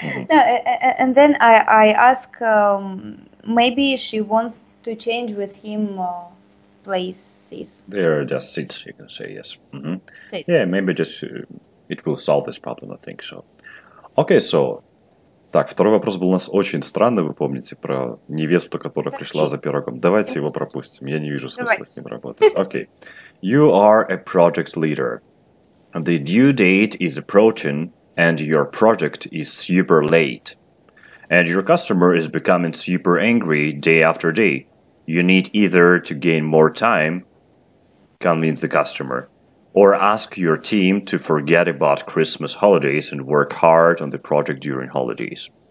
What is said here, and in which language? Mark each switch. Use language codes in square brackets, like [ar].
[en] No, and then I ask maybe she wants to change with him places. There are just seats, you can say, yes. Seats. Yeah, maybe just it will solve this problem, I think so. Okay, so, [ru] так, второй вопрос был у нас очень странный, вы помните, про невесту, которая пришла за пирогом. Давайте его пропустим, я не вижу смысла с ним работать. [en] Okay, you are a project leader. The due date is approaching, and your project is super late. And your customer is becoming super angry day after day. You need either to gain more time, convince the customer, or ask your team to forget about Christmas holidays and work hard on the project during holidays.